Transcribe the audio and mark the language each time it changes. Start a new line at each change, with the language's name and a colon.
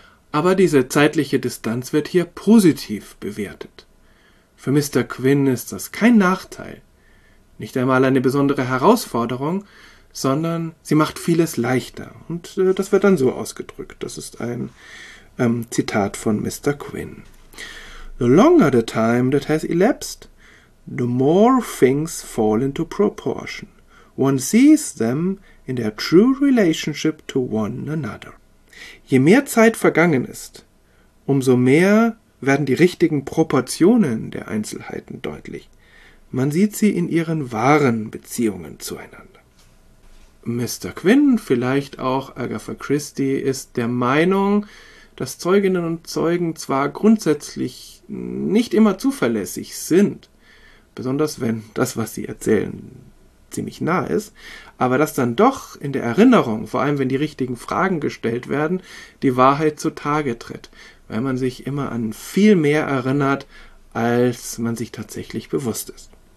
German: Aber diese zeitliche Distanz wird hier positiv bewertet. Für Mr. Quinn ist das kein Nachteil, nicht einmal eine besondere Herausforderung, sondern sie macht vieles leichter. Und das wird dann so ausgedrückt. Das ist ein Zitat von Mr. Quinn.
English: The longer the time that has elapsed, the more things fall into proportion. One sees them in their true relationship to one another.
German: Je mehr Zeit vergangen ist, umso mehr werden die richtigen Proportionen der Einzelheiten deutlich. Man sieht sie in ihren wahren Beziehungen zueinander. Mr. Quinn, vielleicht auch Agatha Christie, ist der Meinung, dass Zeuginnen und Zeugen zwar grundsätzlich nicht immer zuverlässig sind, besonders wenn das, was sie erzählen, ziemlich nah ist, aber dass dann doch in der Erinnerung, vor allem wenn die richtigen Fragen gestellt werden, die Wahrheit zutage tritt, weil man sich immer an viel mehr erinnert, als man sich tatsächlich bewusst ist.